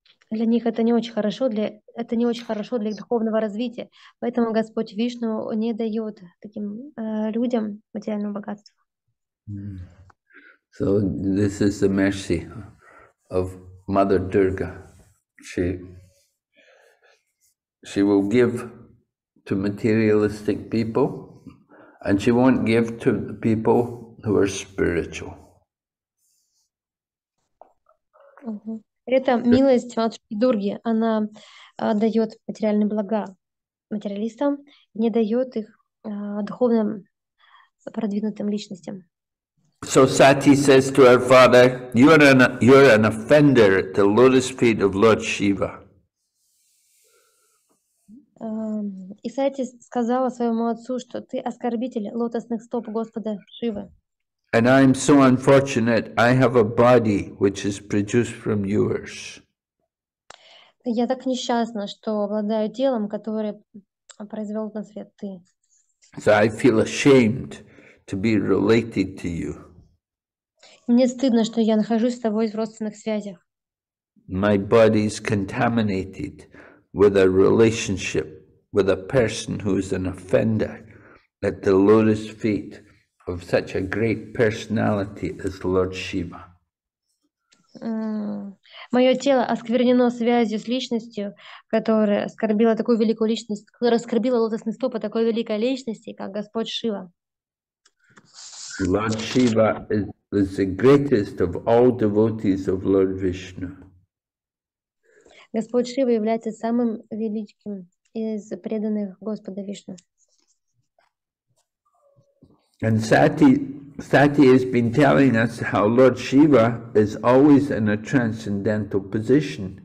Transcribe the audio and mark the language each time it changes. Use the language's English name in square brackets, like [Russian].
[Russian] Для них это не очень хорошо, это не очень хорошо для их духовного развития. Поэтому Господь Вишну не дает таким людям материального богатства. [English] So this is the mercy of Mother Durga. She will give to materialistic people, and she won't give to the people who are spiritual. [Russian] Это милость Матушки Дурги. Она дает материальные блага материалистам, не дает их духовным продвинутым личностям. [English] So Sati says to her father, you're an offender at the lotus feet of Lord Shiva. [Russian] И Сати сказала своему отцу, что ты оскорбитель лотосных стоп Господа Шивы. [English] And I'm so unfortunate, I have a body which is produced from yours. [Russian] Я так несчастна, что обладаю телом, которое произвел на свет ты. [English] So I feel ashamed to be related to you. [Russian] Мне стыдно, что я нахожусь с тобой в родственных связях. [English] My body is contaminated with a relationship with a person who is an offender at the lotus feet of such a great personality as Lord Shiva. [Russian] Мое тело осквернено связью с личностью, которая оскорбила такую великую личность, которая оскорбила лотосные стопы такой великой личности, как Господь Шива. [English] Lord Shiva is the greatest of all devotees of Lord Vishnu. [Russian] Господь Шива является самым великим из преданных Господа Вишну. [English] And Sati has been telling us how Lord Shiva is always in a transcendental position.